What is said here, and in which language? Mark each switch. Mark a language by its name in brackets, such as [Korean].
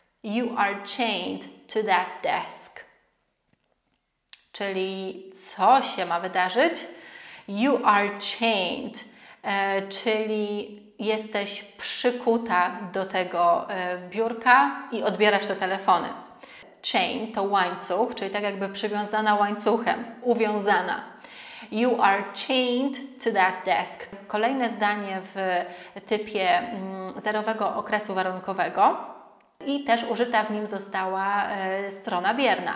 [English] You are chained to that desk. [Polish] Czyli co się ma wydarzyć? [English] You are chained, [Polish] czyli jesteś przykuta do tego biurka i odbierasz te telefony. Chain to łańcuch, czyli tak jakby przywiązana łańcuchem, uwiązana. [English] You are chained to that desk. [Polish] Kolejne zdanie w typie zerowego okresu warunkowego i też użyta w nim została strona bierna.